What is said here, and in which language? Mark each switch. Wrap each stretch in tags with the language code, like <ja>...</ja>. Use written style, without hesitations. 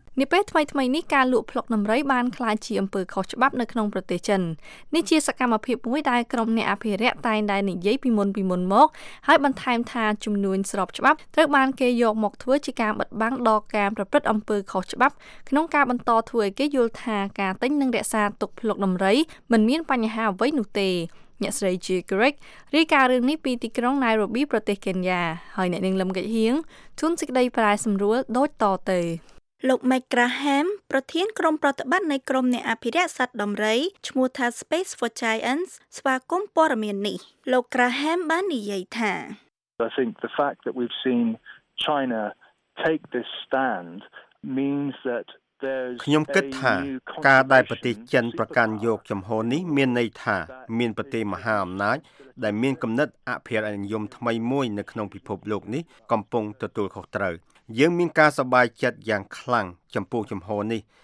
<km>នាពេលថ្មីៗនេះការលក់ផ្លុកដំរីបានក្លាយជាអំពើខុសច្បាប់នៅក្នុងប្រទេសចិននេះជាសកម្មភាពមួយដែលក្រុមអ្នកអភិរក្សតែងតែនិយាយពីមុនមកហើយបន្ថែមថាចំនួនស្របច្បាប់ត្រូវបានគេយកមកធ្វើជាការបិទបាំងដល់ការប្រព្រឹត្តអំពើខុសច្បាប់ក្នុងការបន្តធ្វើឲ្យគេយល់ថាការទិញនិងរក្សាទុកផ្លុកដំរីមិនមានបញ្ហាអ្វីនោះទេអ្នកស្រី Jill Greg រាយការណ៍រឿងនេះពីទីក្រុង Nairobi ប្រទេសកេនយ៉ាហើយអ្នកនាងលឹមកិច្ចហៀងជួនសេចក្តីប្រែសម្រួលដូចតទៅ លោក Mike Graham ប្រធានក្រុមប្រតិបត្តិនៃក្រុមអ្នកអភិរក្សសត្វដំរីឈ្មោះថា Space for Giants ស្វាគមន៍ព័ត៌មាននេះលោក Graham បាននិយាយថា</km> <en>I think the fact that we've seen China take this stand means that</en> <km>ខ្ញុំគិតថាការដែលប្រទេសចិនប្រកាន់យកជំហរនេះមានន័យថាមានប្រទេសមហាអំណាចដែលមានគំនិតអភិរិយនិយមថ្មីមួយនៅក្នុងពិភពលោកនេះកំពុងទទួលខុសត្រូវយើងមានការសប្បាយចិត្តយ៉ាងខ្លាំងចំពោះជំហរនេះ</km>